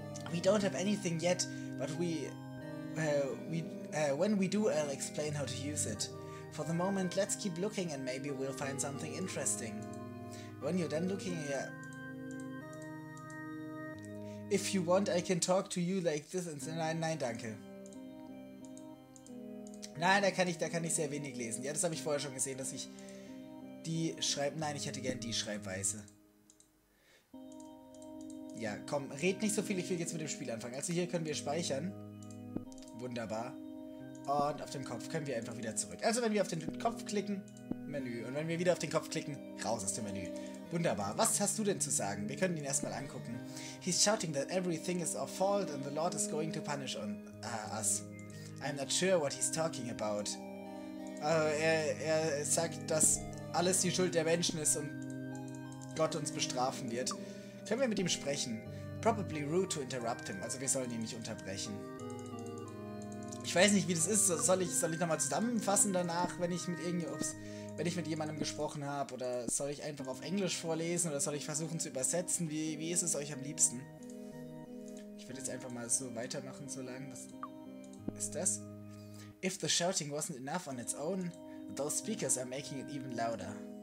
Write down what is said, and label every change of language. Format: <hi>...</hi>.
<en>We don't have anything yet, but when we do, I'll explain how to use it. For the moment, let's keep looking and maybe we'll find something interesting. When you're done looking here... If you want, I can talk to you like this and say,</en> <de>nein, nein, danke. Nein, da kann ich sehr wenig lesen. Ja, das habe ich vorher schon gesehen, dass ich die schreibe. Nein, ich hätte gern die Schreibweise. Ja, komm, red nicht so viel, ich will jetzt mit dem Spiel anfangen. Also hier können wir speichern. Wunderbar. Und auf dem Kopf können wir einfach wieder zurück. Also wenn wir auf den Kopf klicken, Menü. Und wenn wir wieder auf den Kopf klicken, raus aus dem Menü. Wunderbar. Was hast du denn zu sagen? Wir können ihn erstmal angucken.</de> <en>He's shouting that everything is our fault and the Lord is going to punish on, us. I'm not sure what he's talking about.</en> <de>Er sagt, dass alles die Schuld der Menschen ist und Gott uns bestrafen wird. Können wir mit ihm sprechen?</de> <en>Probably rude to interrupt him.</en> <de>Also wir sollen ihn nicht unterbrechen. Ich weiß nicht, wie das ist. Soll ich nochmal zusammenfassen danach, wenn ich mit jemandem gesprochen habe? Oder soll ich einfach auf Englisch vorlesen? Oder soll ich versuchen zu übersetzen? Wie ist es euch am liebsten? Ich würde jetzt einfach mal so weitermachen, so lang. Was ist das?</de> <en>If the shouting wasn't enough on its own, those speakers are making it even louder.</en>